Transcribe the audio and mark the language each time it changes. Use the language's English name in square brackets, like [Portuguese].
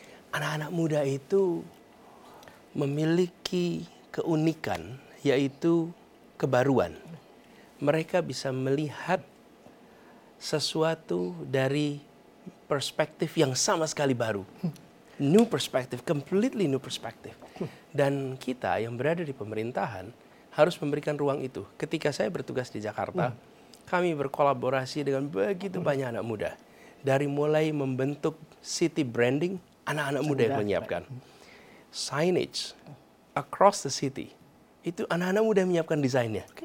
[Indonesian] Anak-anak muda itu memiliki keunikan, yaitu kebaruan. Mereka bisa melihat sesuatu dari perspektif yang sama sekali baru. [English] New perspective, completely new perspective. [Indonesian] Dan kita yang berada di pemerintahan harus memberikan ruang itu. Ketika saya bertugas di Jakarta, kami berkolaborasi dengan begitu banyak anak muda. Dari mulai membentuk city branding, anak-anak muda yang menyiapkan. [English] Signage across the city, [Indonesian] itu anak-anak muda yang menyiapkan desainnya.